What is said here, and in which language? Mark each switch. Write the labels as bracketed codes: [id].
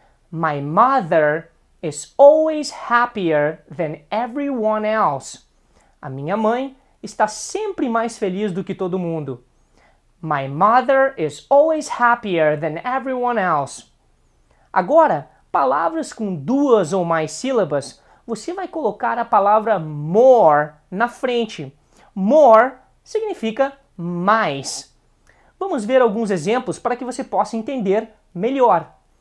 [en] My mother is always happier than everyone else. [pt] A minha mãe está sempre mais feliz do que todo mundo. [en] My mother is always happier than everyone else. [pt] Agora, palavras com duas ou mais sílabas, você vai colocar a palavra more na frente. More significa mais. Vamos ver alguns exemplos para que você possa entender melhor.